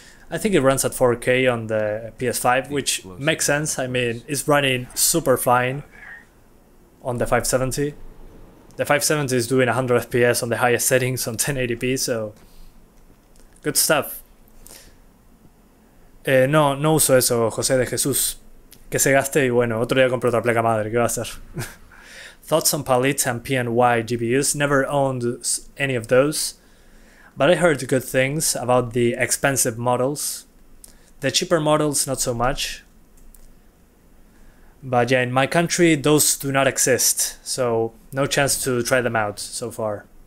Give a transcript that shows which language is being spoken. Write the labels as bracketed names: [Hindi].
[English] I think it runs at 4K on the PS5, which makes sense. I mean, it's running super fine on the 570. The 570 is doing 100 FPS on the highest settings on 1080p, so good stuff. [Spanish] No uso eso, José de Jesús. Que se gaste y bueno, otro día compro otra placa madre, ¿qué va a hacer? [English] Thoughts on Palit and PNY GPUs, never owned any of those, but I heard good things about the expensive models. The cheaper models, not so much. But yeah, in my country, those do not exist, so no chance to try them out so far.